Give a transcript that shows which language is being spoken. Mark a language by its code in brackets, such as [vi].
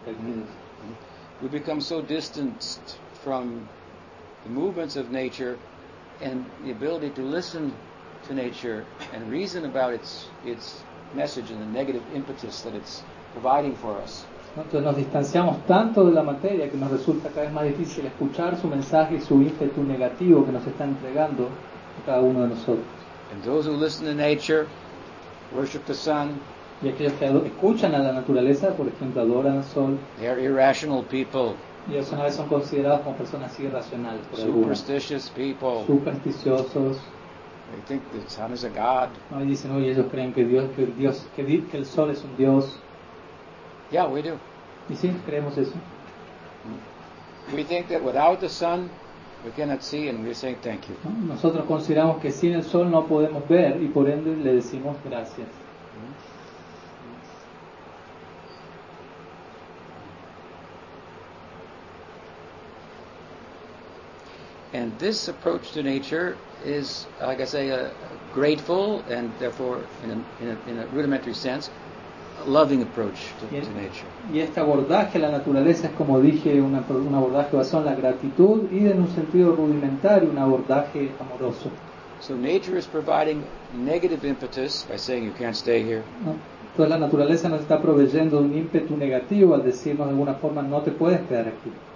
[en] eso. We become so distanced from the movements of nature and the ability to listen to nature and reason about its message and the negative impetus that it's providing for us. [es] Entonces nos distanciamos tanto de la materia que nos resulta cada vez más difícil escuchar su mensaje y su ímpetu negativo que nos está entregando a cada uno de nosotros. [en] And those who listen to nature worship the sun. [es] Y aquellos que escuchan a la naturaleza, por ejemplo, adoran al sol. [en] They are irrational people. [es] Y eso una vez son considerados como personas irracionales por algunos. [en] Superstitious people. [es] Supersticiosos. [en] They think the sun is a god. [es] No, y dicen, oye, ellos creen que Dios, que el sol es un Dios. [en] Yeah, we do. [es] Y sí, creemos eso. [en] We think that without the sun, we cannot see, and we're saying thank you. [es] ¿No? Nosotros consideramos que sin el sol no podemos ver, y por ende le decimos gracias. [en] And this approach to nature is, like I say, grateful and therefore, in a rudimentary sense, a loving approach to nature. [es] Y este abordaje a la naturaleza es, como dije, un abordaje basado en la gratitud y, en un sentido rudimentario, un abordaje amoroso. [en] So nature is providing negative impetus by saying you can't stay here. [es] Entonces la naturaleza nos está proveyendo un ímpetu negativo al decirnos de alguna forma no te puedes quedar aquí.